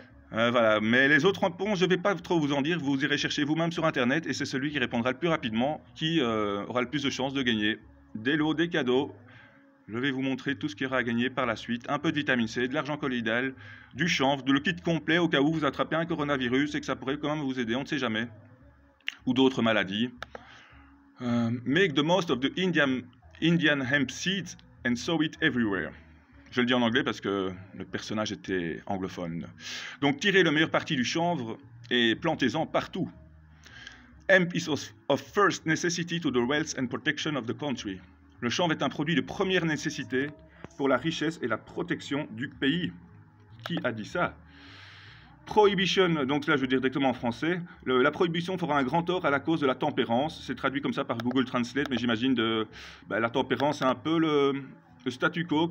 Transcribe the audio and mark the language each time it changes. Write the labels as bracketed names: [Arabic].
[French] voilà, mais les autres réponses, je ne vais pas trop vous en dire, vous irez chercher vous-même sur Internet et c'est celui qui répondra le plus rapidement qui aura le plus de chances de gagner des lots, des cadeaux. Je vais vous montrer tout ce qu'il y aura à gagner par la suite, un peu de vitamine C, de l'argent colloïdal, du chanvre, de le kit complet au cas où vous attrapez un coronavirus et que ça pourrait quand même vous aider, on ne sait jamais, ou d'autres maladies. [English] Make the most of the Indian hemp seeds and sow it everywhere. [French] Je le dis en anglais parce que le personnage était anglophone. Donc, tirez le meilleur parti du chanvre et plantez-en partout. [English] Hemp is of first necessity to the wealth and protection of the country. [French] Le chanvre est un produit de première nécessité pour la richesse et la protection du pays. Qui a dit ça? Prohibition, donc là je veux dire directement en français, la prohibition fera un grand tort à la cause de la tempérance. C'est traduit comme ça par Google Translate, mais j'imagine la tempérance, c'est un peu le statu quo.